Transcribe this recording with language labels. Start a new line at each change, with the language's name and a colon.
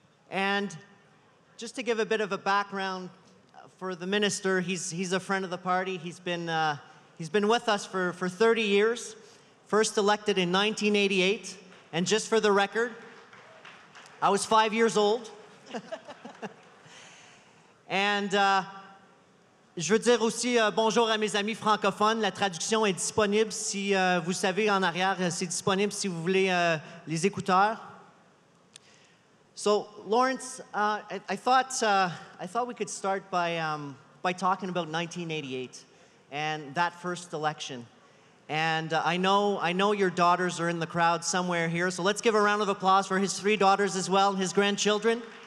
English: And just to give a bit of a background for the minister, he's a friend of the party. He's been with us for 30 years, first elected in 1988. And just for the record, I was 5 years old.
French: And je veux dire aussi bonjour à mes amis francophones. La traduction est disponible si vous savez en arrière, c'est disponible si vous voulez les écouteurs.
English: So Lawrence, I thought we could start by talking about 1988 and that first election. And I know your daughters are in the crowd somewhere here. So let's give a round of applause for his three daughters as well and his grandchildren.